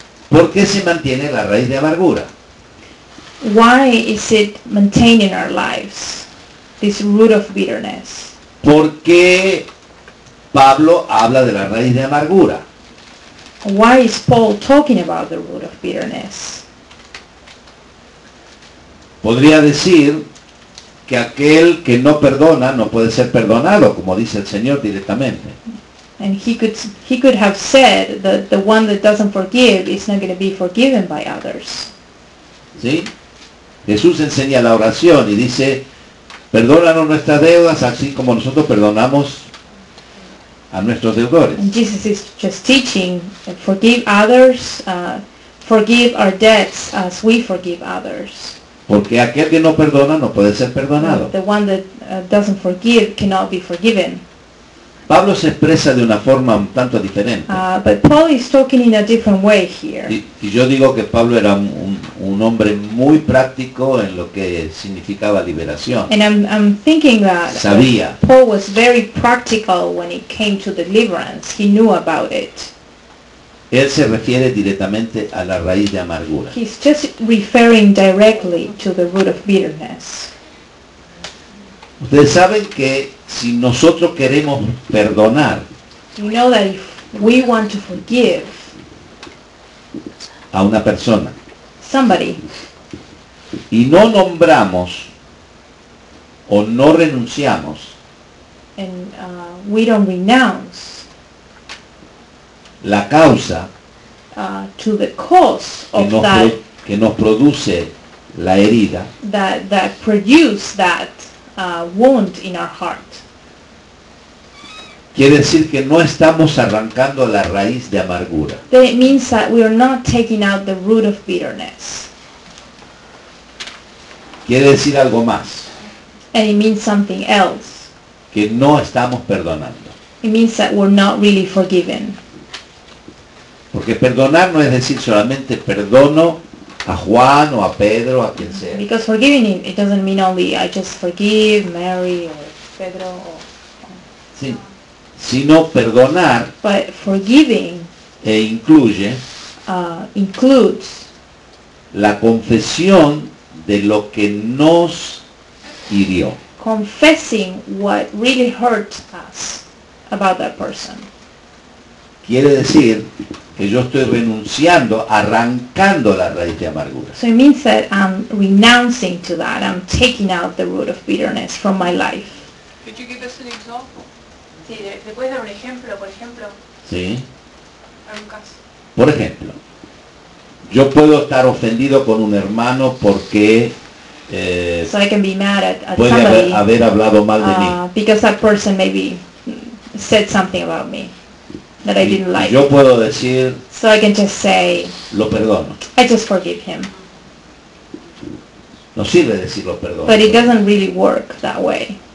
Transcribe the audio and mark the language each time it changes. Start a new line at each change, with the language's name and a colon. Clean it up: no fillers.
Spanish: ¿Por qué se mantiene la raíz de amargura?
English: Why is it maintained in our lives, this root of bitterness?
Spanish: ¿Por qué Pablo habla de la raíz de amargura?
English: Why is Paul talking about the root of bitterness?
Spanish: Podría decir que aquel que no perdona no puede ser perdonado, como dice el Señor directamente.
English: And he could have said that the one that doesn't forgive is not going to be forgiven by others.
Spanish: ¿Sí? Jesús enseña la oración y dice, perdónanos nuestras deudas así como nosotros perdonamos a nuestros deudores.
English: And Jesus is just teaching, forgive others, forgive our debts as we forgive others.
Spanish: Porque aquel que no perdona no puede ser perdonado.
English: The one that doesn't forgive cannot be forgiven.
Spanish: Pablo se expresa de una forma un tanto diferente.
English: But Paul is talking in a different way here.
Spanish: Y yo digo que Pablo era un hombre muy práctico en lo que significaba liberación.
English: And I'm thinking that
Spanish: sabía.
English: Paul was very practical when it came to deliverance. He knew about it.
Spanish: Él se refiere directamente a la raíz de amargura.
English: He's just referring directly to the root of bitterness.
Spanish: Ustedes saben que si nosotros queremos perdonar,
English: you know that if we want to forgive
Spanish: a una persona,
English: somebody,
Spanish: y no nombramos o no renunciamos,
English: and we don't renounce
Spanish: la causa,
English: to the cause of that
Spanish: que nos produce la herida,
English: that produce that wound in our heart.
Spanish: Quiere decir que no estamos arrancando la raíz de amargura.
English: Then it means that we are not taking out the root of bitterness.
Spanish: Quiere decir algo más.
English: And it means something else.
Spanish: Que no estamos perdonando.
English: It means that we're not really forgiven.
Spanish: Porque perdonar no es decir solamente perdono a Juan o a Pedro o a quien sea.
English: Because forgiving it doesn't mean only I just forgive Mary or Pedro or Juan.
Spanish: Sí. Sino perdonar,
English: but forgiving,
Spanish: e incluye,
English: includes
Spanish: la confesión de lo que nos hirió.
English: Confessing what really hurt us about that person.
Spanish: Quiere decir que yo estoy renunciando, arrancando la raíz de amargura.
English: So it means that I'm renouncing to that. I'm taking out the root of bitterness from my life. Could you give us an example?
Spanish: Sí, puedes dar un ejemplo, por ejemplo? Sí. Un caso. Por ejemplo, yo puedo estar ofendido con un hermano porque
English: so I can be mad at
Spanish: puede
English: somebody,
Spanish: haber hablado mal de mí.
English: Because that person maybe said something about me that
Spanish: y,
English: I didn't like.
Spanish: Yo puedo decir,
English: so I can just say,
Spanish: lo perdono.
English: I just forgive him.
Spanish: No sirve decir lo perdono.
English: But it doesn't really work that way.